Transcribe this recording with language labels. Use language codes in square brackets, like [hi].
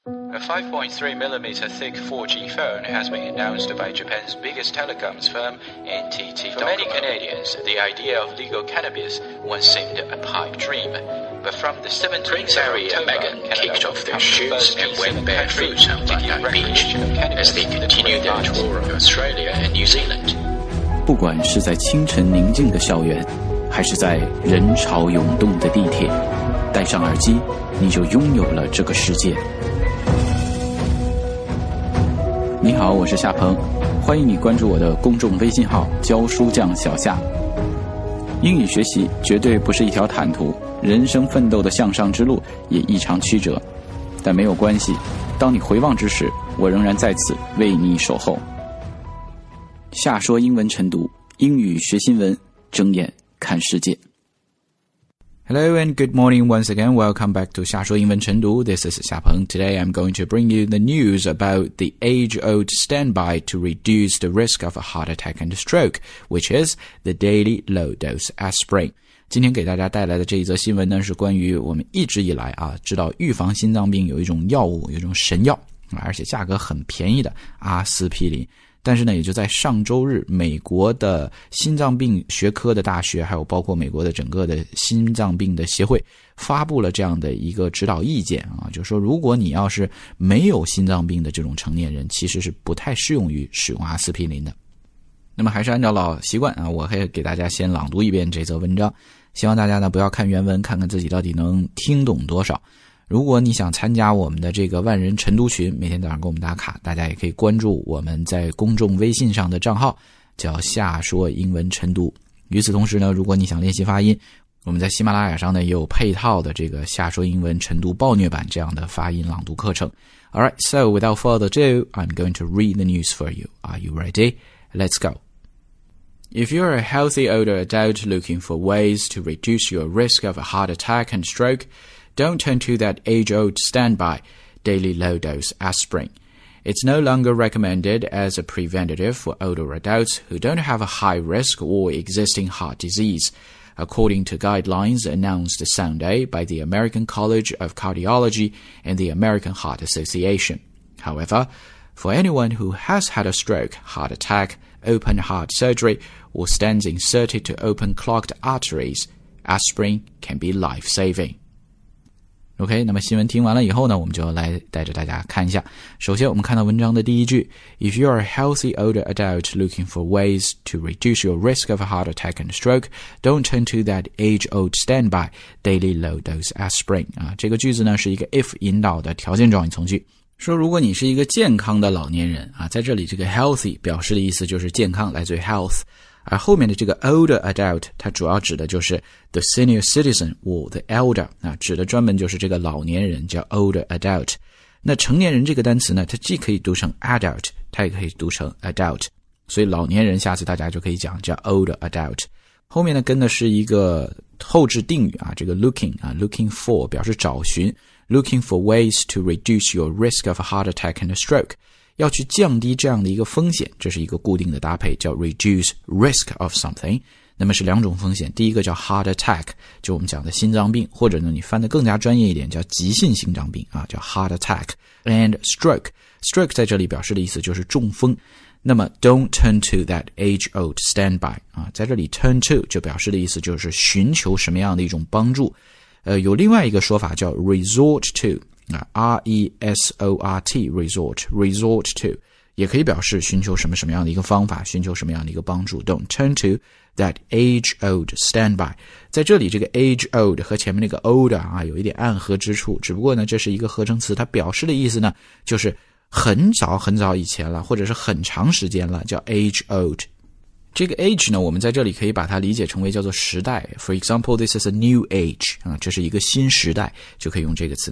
[en] A 5.3mm thick 4G phone has been announced by Japan's biggest telecoms firm, NTT Docomo. For many Canadians, the idea of legal cannabis once seemed a pipe dream. But from the 17th of October, Megan kicked off their shoots and went barefoot on Bondi Beach as they continued their tour of Australia and New Zealand. [zh] 不管是在清晨宁静的校园，还是在人潮涌动的地铁，戴上耳机，你就拥有了这个世界。你好，我是夏鹏，欢迎你关注我的公众微信号教书匠小夏。英语学习绝对不是一条坦途，人生奋斗的向上之路也异常曲折，但没有关系，当你回望之时，我仍然在此为你守候。夏说英文晨读，英语学新闻，睁眼看世界。 [en] Hello and good morning once again. Welcome back to 夏说英文晨读. This is 夏鹏. Today I'm going to bring you the news about the age-old standby to reduce the risk of a heart attack and stroke, which is the daily low-dose aspirin. [zh] 今天给大家带来的这一则新闻呢，是关于我们一直以来啊，知道预防心脏病有一种药物，有一种神药，而且价格很便宜的阿司匹林。但是呢，也就在上周日，美国的心脏病学科的大学，还有包括美国的整个的心脏病的协会，发布了这样的一个指导意见啊，就是说，如果你要是没有心脏病的这种成年人，其实是不太适用于使用阿司匹林的。那么还是按照老习惯啊，我会给大家先朗读一遍这则文章，希望大家呢不要看原文，看看自己到底能听懂多少。如果你想参加我们的这个万人晨读群，每天早上给我们打卡，大家也可以关注我们在公众微信上的账号，叫夏说英文晨读。与此同时呢，如果你想练习发音，我们在喜马拉雅上呢也有配套的这个夏说英文晨读暴虐版这样的发音朗读课程。 [en] Alright, so without further ado, I'm going to read the news for you. Are you ready? Let's go. If you're a healthy older adult looking for ways to reduce your risk of a heart attack and stroke,Don't turn to that age-old standby, daily low-dose aspirin. It's no longer recommended as a preventative for older adults who don't have a high risk or existing heart disease, according to guidelines announced Sunday by the American College of Cardiology and the American Heart Association. However, for anyone who has had a stroke, heart attack, open heart surgery, or stents inserted to open clogged arteries, aspirin can be life-saving. [zh] OK, 那么新闻听完了以后呢，我们就来带着大家看一下。首先我们看到文章的第一句， [en] If you are a healthy older adult looking for ways to reduce your risk of a heart attack and stroke, don't turn to that age-old standby, daily low-dose aspirin.、 [zh] 啊、这个句子呢是一个 if 引导的条件状语从句。说如果你是一个健康的老年人、啊、在这里这个 healthy 表示的意思就是健康，来自于 health。而后面的这个 older adult, 它主要指的就是 [en] the senior citizen or the elder, [zh] 那指的专门就是这个老年人叫 older adult。那成年人这个单词呢，它既可以读成 adult, 它也可以读成 adult。所以老年人下次大家就可以讲叫 older adult。后面呢跟的是一个后置定语啊，这个 looking, 啊 [en] looking for 表示找寻 ,looking for ways to reduce your risk of a heart attack and a stroke。 [zh] 要去降低这样的一个风险，这是一个固定的搭配，叫 [en] reduce risk of something。 [zh] 那么是两种风险，第一个叫 heart attack, 就我们讲的心脏病，或者呢你翻得更加专业一点，叫急性心脏病啊，叫 [en] heart attack and stroke。 [zh] stroke 在这里表示的意思就是中风。那么 [en] don't turn to that age-old standby [zh] 啊，在这里 turn to 就表示的意思就是寻求什么样的一种帮助。有另外一个说法叫 resort to。R-E-S-O-R-T, resort, resort to, 也可以表示寻求什么什么样的一个方法，寻求什么样的一个帮助。 [en] Don't turn to that age-old standby. [zh] 在这里这个 age-old 和前面那个 older 啊，有一点暗合之处，只不过呢，这是一个合成词，它表示的意思呢，就是很早很早以前了，或者是很长时间了，叫 age-old。这个 age 呢，我们在这里可以把它理解成为叫做时代。 [en] For example, this is a new age, [zh] 啊，这是一个新时代，就可以用这个词。